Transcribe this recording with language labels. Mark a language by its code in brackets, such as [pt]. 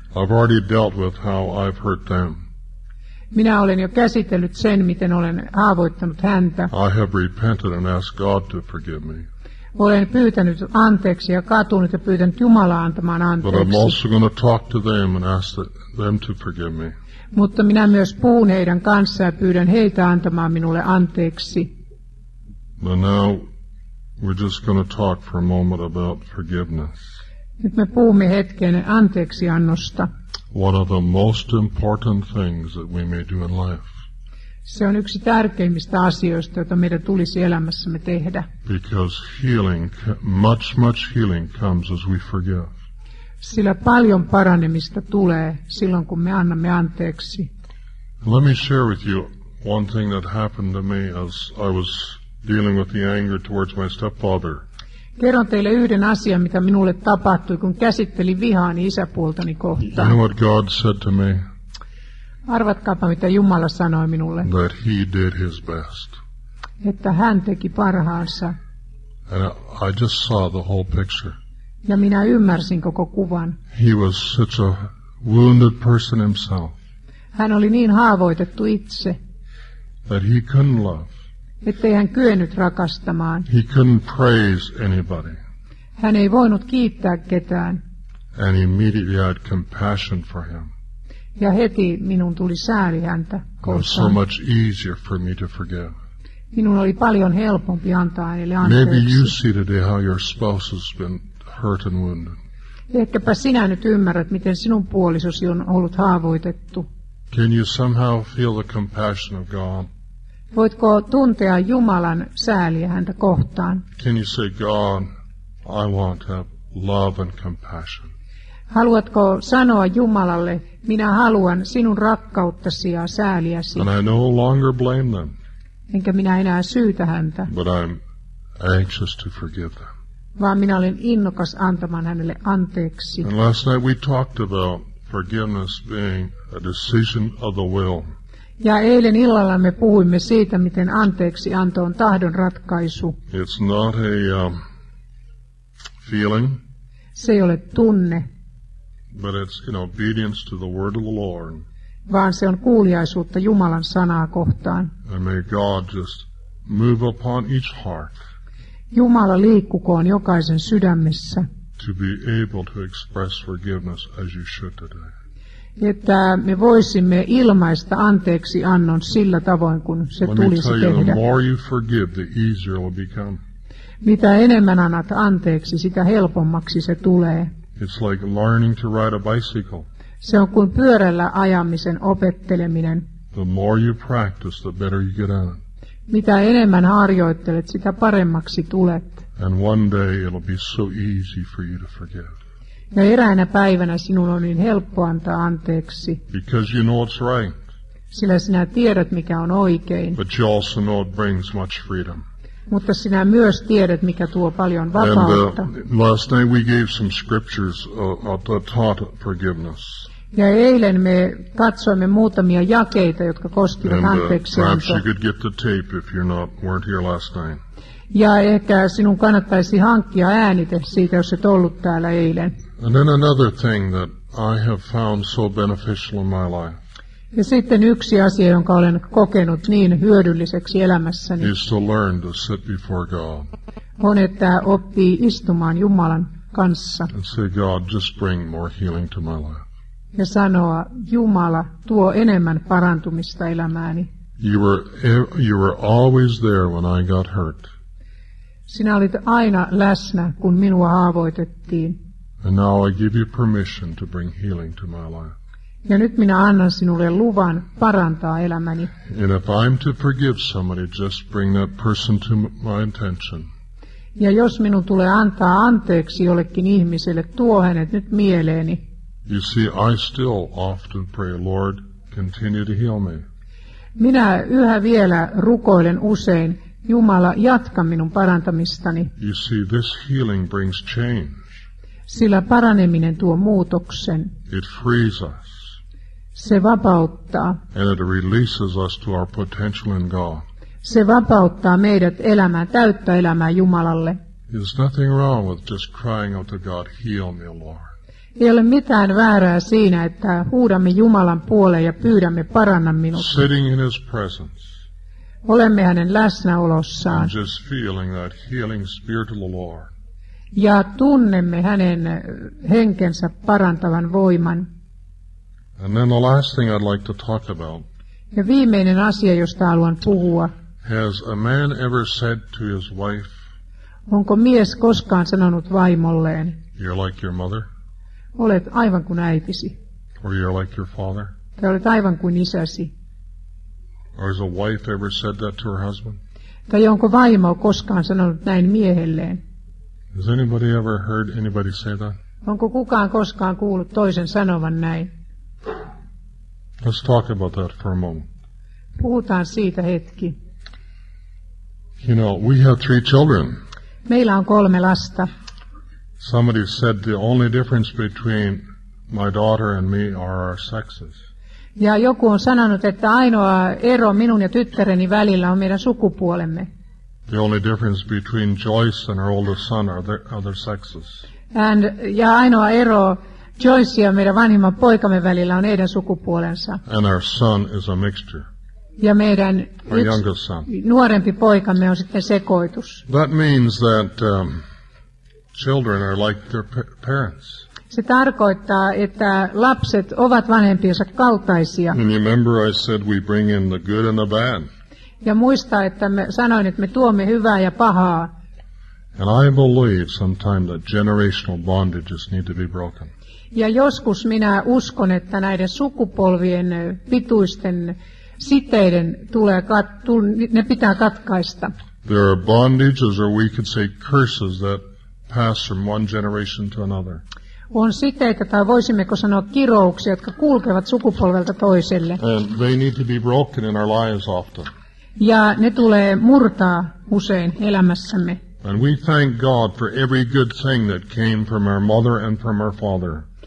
[en] I've already dealt with how I've hurt them. [fi] Minä olen jo käsitellyt sen, miten olen haavoittanut häntä. [en] I have repented and asked God to forgive me. [fi] Olen pyytänyt anteeksi ja katunut ja pyytänyt Jumalaa antamaan anteeksi. Mutta minä myös puhun heidän kanssa ja pyydän heitä antamaan minulle anteeksi. [en] But now we're just going to talk for a moment about forgiveness. [fi] Nyt me puhumme hetken anteeksiannosta. [en] One of the most important things that we may do in life. [fi] Se on yksi tärkeimmistä asioista, joita meidän tulisi elämässämme tehdä. [en] Because healing, much healing comes as we forgive. [fi] Sillä paljon paranemista tulee silloin, kun me annamme anteeksi. [en] Let me share with you one thing that happened to me as I was dealing with the anger towards my stepfather. [fi] Kerron teille yhden asian, mitä minulle tapahtui, kun käsittelin vihaani isäpuoltani kohtaan. [en] You know what God said to me? [fi] Arvatkaapa, mitä Jumala sanoi minulle. [en] That he did his best. [fi] Että hän teki parhaansa. [en] And I just saw the whole picture. [fi] Ja minä ymmärsin koko kuvan. [en] He was such a wounded person himself. [fi] Hän oli niin haavoitettu itse. [en] That he couldn't love. [fi] Ettei hän kyennyt rakastamaan. [en] He couldn't praise anybody. [fi] Hän ei voinut kiittää ketään. [en] And immediately I had compassion for him. [fi] Ja heti minun tuli sääli häntä. [en] It was so much easier for me to forgive. [fi] Minun oli paljon helpompi antaa hänelle anteeksi. [en] Maybe you see today how your spouse has been hurt and wounded. [fi] Ehkäpä sinä nyt ymmärrät, miten sinun puolisosi on ollut haavoitettu. [en] Can you somehow feel the compassion of God? [fi] Voitko tuntea Jumalan sääliä häntä kohtaan? [en] Can you say, God, I want to have love and compassion? [fi] Haluatko sanoa Jumalalle, minä haluan sinun rakkauttasi ja sääliäsi? [en] And I no longer blame them. [fi] Enkä minä enää syytä häntä. [en] But I'm anxious to forgive them. [fi] Vaan minä olen innokas antamaan hänelle anteeksi. [en] And last night we talked about forgiveness being a decision of the will. [fi] Ja eilen illalla me puhuimme siitä, miten anteeksi anto on tahdon ratkaisu. [en] It's not a feeling. [fi] Se ei ole tunne. [en] But it's in obedience to the word of the Lord. [fi] Vaan se on kuuliaisuutta Jumalan sanaa kohtaan. [en] And may God just move upon each heart. [fi] Jumala liikkukoon jokaisen sydämessä. [en] To be able to express forgiveness as you should today. [fi] Että me voisimme ilmaista anteeksi annon sillä tavoin, kun se tulisi tehdä. [en] You, the more you forgive, the easier it will become. [fi] Mitä enemmän annat anteeksi, sitä helpommaksi se tulee. [en] It's like learning to ride a bicycle. [fi] Se on kuin pyörällä ajamisen opetteleminen. [en] The more you practice, the better you get on. [fi] Mitä enemmän harjoittelet, sitä paremmaksi tulet. [en] And one day it'll be so easy for you to forgive. [fi] Ja eräänä päivänä sinun on niin helppo antaa anteeksi. [en] Because you know it's right. [fi] Sillä sinä tiedät, mikä on oikein. [en] But you also know it brings much freedom. [fi] Mutta sinä myös tiedät, mikä tuo paljon vapautta. [en] And last night we gave some scriptures taught forgiveness. [fi] Ja eilen me katsoimme muutamia jakeita, jotka koskivat anteeksiantoa. [en] Perhaps you could get the tape if you're not weren't here last night. [fi] Ja ehkä sinun kannattaisi hankkia äänite siitä, jos et ollut täällä eilen. [en] And then another thing that I have found so beneficial in my life. [fi] Ja sitten yksi asia, jonka olen kokenut niin hyödylliseksi elämässäni. [en] Is to learn to sit before God. [fi] On, että oppii istumaan Jumalan kanssa. [en] And say, God, just bring more healing to my life. [fi] Ja sanoa, Jumala, tuo enemmän parantumista elämääni. [en] You were always there when I got hurt. [fi] Sinä olit aina läsnä, kun minua haavoitettiin. [en] And now I give you permission to bring healing to my life. [fi] Ja nyt minä annan sinulle luvan parantaa elämäni. [en] And if I'm to forgive somebody, just bring that person to my attention. [fi] Ja jos minun tulee antaa anteeksi jollekin ihmiselle, tuo hänet nyt mieleeni. [en] You see, I still often pray, Lord, continue to heal me. [fi] Minä yhä vielä rukoilen usein, Jumala, jatka minun parantamistani. [en] You see, this healing brings change. [fi] Sillä paraneminen tuo muutoksen. [en] It frees us. [fi] Se vapauttaa. [en] And it releases us to our potential in God. [fi] Se vapauttaa meidät elämään, täyttä elämää Jumalalle. [en] There's nothing wrong with just crying out to God, heal me, Lord. [fi] Ei ole mitään väärää siinä, että huudamme Jumalan puoleen ja pyydämme paranna minut. [en] Sitting in his presence. [fi] Olemme hänen läsnäolossaan. [en] And just feeling that healing spirit of the Lord. [fi] Ja tunnemme hänen henkensä parantavan voiman. [en] And then the last thing I'd like to talk about. [fi] Ja viimeinen asia, josta haluan puhua. [en] Has a man ever said to his wife? [fi] Onko mies koskaan sanonut vaimolleen? [en] You're like your mother. [fi] Olet aivan kuin äitisi. [en] Or you're like your father. [fi] Tai olet aivan kuin isäsi. [en] Or has a wife ever said that to her husband? [fi] Tai onko vaimo koskaan sanonut näin miehelleen? [en] Has anybody ever heard anybody say that? [fi] Onko kukaan koskaan kuullut toisen sanovan näin? [en] Let's talk about that for a moment. [fi] Puhutaan siitä hetki. [en] You know, we have three children. [fi] Meillä on kolme lasta. [en] Somebody said the only difference between my daughter and me are our sexes. [fi] Ja joku on sanonut, että ainoa ero minun ja tyttäreni välillä on meidän sukupuolemme. [en] The only difference between Joyce and her oldest son are their other sexes. [fi] And ja ainoa ero Joyce ja meidän vanhimman poikamme välillä on heidän sukupuolensa. [en] And our son is a mixture. [fi] Ja meidän [en] our youngest son. [fi] Nuorempi poikamme on sitten sekoitus. [en] That means that children are like their parents. [fi] Se tarkoittaa, että lapset ovat vanhempiensa kaltaisia. [en] And remember I said we bring in the good and the bad. [fi] Ja muista, että me sanoin, että me tuomme hyvää ja pahaa. [en] And I believe sometime that generational bondages need to be broken. [fi] Ja joskus minä uskon, että näiden sukupolvien pituisten siteiden tulee ne pitää katkaista. [en] There are bondages, or we could say curses, that pass from one generation to another. [fi] On siteitä, tai voisimmeko sanoa kirouksia, jotka kulkevat sukupolvelta toiselle. [en] And they need to be broken in our lives often. [fi] Ja ne tulee murtaa usein elämässämme. [en] And we thank God for every good thing that came from our mother and from our father.